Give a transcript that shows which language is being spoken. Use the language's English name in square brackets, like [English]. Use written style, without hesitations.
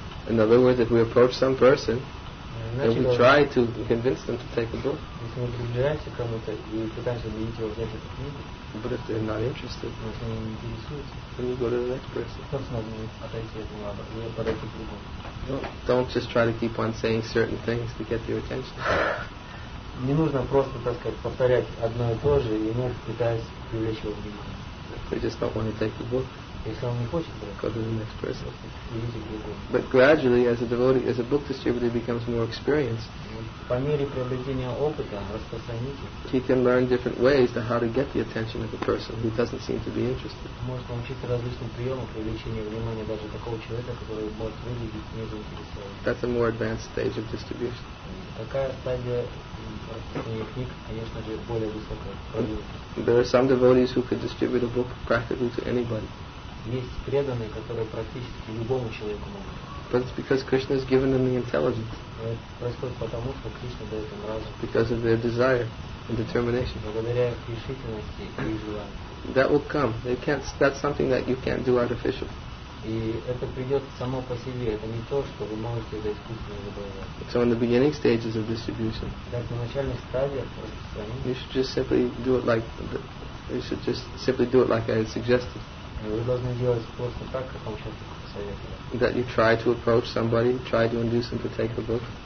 [English] In other words, if we approach some person, and we try to convince them to take a book. But if they're not interested, then you go to the next person. Don't just try to keep on saying certain things to get their attention. [Russian] Не нужно просто, так сказать, повторять одно и то же, и ему пытаясь привлечь его внимание. [English] They just don't want to take the book. [Russian] Если он не хочет, то [English] go to the next person. [Russian] Идите к другому. [English] But gradually, as a devotee, as a book distributor, becomes more experienced. [Russian] По мере приобретения опыта распространитель. [English] He can learn different ways to how to get the attention of a person who doesn't seem to be interested. [Russian] Может научиться различным приемам привлечения внимания даже такого человека, который может выглядеть не заинтересованным. [English] That's a more advanced stage of distribution. [Russian] Такая стадия распространения книг, конечно же, более высокая. [English] There are some devotees who could distribute a book practically to anybody. [Russian] Есть преданные, которые практически любому человеку могут. [English] But it's because Krishna has given them the intelligence. [Russian] Это происходит потому, что Кришна дает им разум. [English] Because of their desire and determination. [Russian] Благодаря их решительности и желанию. [English] That will come. They can't. That's something that you can't do artificially. [Russian] И это придет само по себе. Это не то, что вы можете это искусственно добывать. [English] So in the beginning stages of distribution. [Russian] Так на начальных стадиях распространения. [English] You should just simply do it like. You should just simply do it like I suggested. [Russian] Вы должны делать просто так, как вам сейчас посоветовали. [English] That you try to approach somebody, try to induce them to take the book.